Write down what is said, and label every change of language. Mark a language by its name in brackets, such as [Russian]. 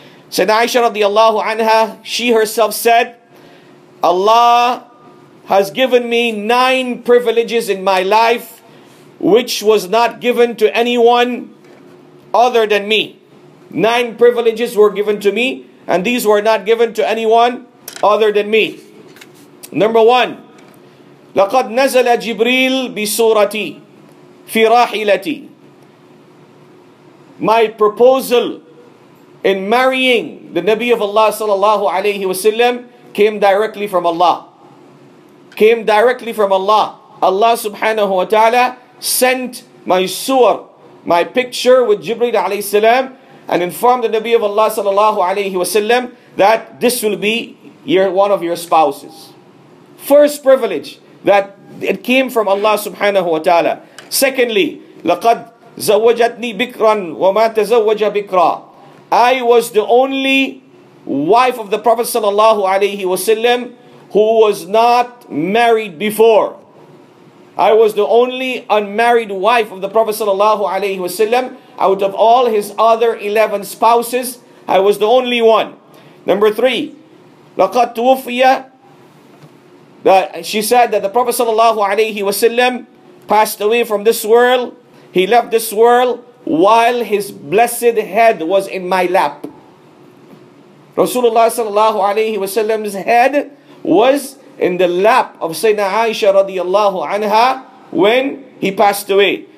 [English] Sayyidina Aisha radiallahu anha, she herself said, Allah has given me 9 privileges in my life, which was not given to anyone other than me. 9 privileges were given to me, and these were not given to anyone other than me. Number 1, [Arabic] لَقَدْ نَزَلَ جِبْرِيلُ بِسُورَتِي فِي رَاحِلَتِي. [English] My proposal in marrying the Nabi of Allah sallallahu alayhi wasallam came directly from Allah. Came directly from Allah. Allah subhanahu wa ta'ala sent my surah, my picture with Jibreel alayhi salam, and informed the Nabi of Allah sallallahu alayhi wasallam that this will be one of your spouses. First privilege, that it came from Allah subhanahu wa ta'ala. Secondly, [Arabic] لَقَدْ زَوَّجَتْنِي بِكْرًا وَمَا تَزَوَّجَ بِكْرًا. [English] I was the only wife of the Prophet sallallahu alayhi wasallam who was not married before. I was the only unmarried wife of the Prophet sallallahu alayhi wasallam out of all his other 11 spouses. I was the only one. Number 3, [Arabic] لَقَدْ تُوفِيَ. [English] That she said that the Prophet sallallahu alayhi wasallam passed away from this world. He left this world while his blessed head was in my lap. Rasulullah sallallahu alayhi wasallam's head was in the lap of Sayyidina Aisha radiallahu anha when he passed away.